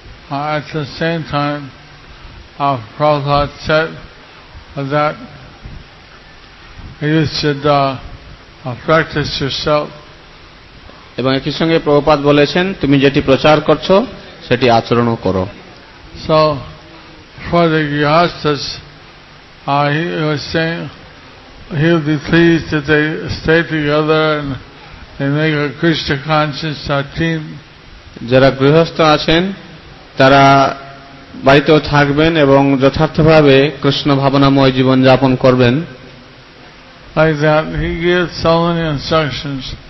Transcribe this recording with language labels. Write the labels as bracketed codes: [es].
[bn] At the same time Prabhupada said that you should practice yourself. এবং একই সঙ্গে প্রভুপাদ বলেছেন তুমি যেটি প্রচার করছো সেটি আচরণও করো। [en] So for the gyanis, he was saying he would be pleased if they stay together and they make a Krishna conscious team. [bn] যারা গৃহস্থ আছেন তারা বাড়িতেও থাকবেন এবং যথার্থভাবে কৃষ্ণ ভাবনাময় জীবন যাপন করবেন। [en] Like that, he gives so many instructions.